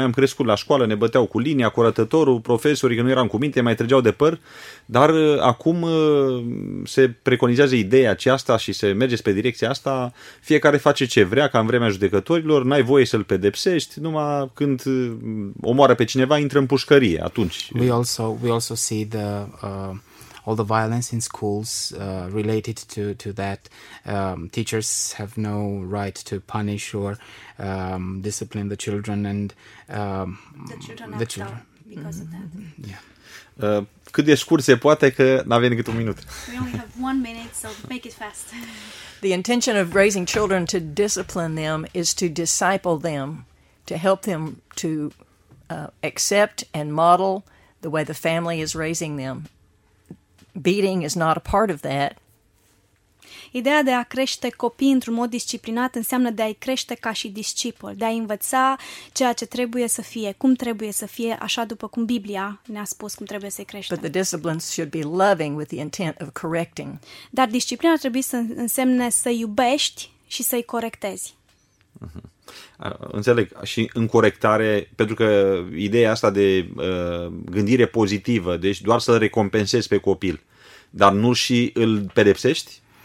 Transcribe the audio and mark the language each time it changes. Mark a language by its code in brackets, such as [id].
[ro] Noi am crescut la școală, ne băteau cu linia, cu arătătorul, profesorii că nu eram cu minte, mai trăgeau de păr, dar acum se preconizează ideea aceasta și se merge spre direcția asta, fiecare face ce vrea, ca în vremea judecătorilor, n-ai voie să-l pedepsești, numai când omoară pe cineva, intră în pușcărie, atunci. [en] We also see the all the violence in schools related to that. Teachers have no right to punish or discipline the children and the children act out because of that. Yeah. [ro] Cât de scurt se poate că n-avem decât un minut. [en] We only have 1 minute, so make it fast. The intention of raising children to discipline them is to disciple them, to help them to accept and model the way the family is raising them. Beating is not a part of that. [ro] Ideea de a crește copii într-un mod disciplinat înseamnă de a-i crește ca și discipol, de a învăța ceea ce trebuie să fie, cum trebuie să fie, așa după cum Biblia ne-a spus cum trebuie să-i crește. [en] But the disciplines should be loving with the intent of correcting. [ro] Dar disciplina trebuie să însemne să iubești și să-i corectezi. Înțeleg. Și în corectare, pentru că ideea asta de gândire pozitivă, deci doar să-l recompensezi pe copil, dar nu și îl pedepsești?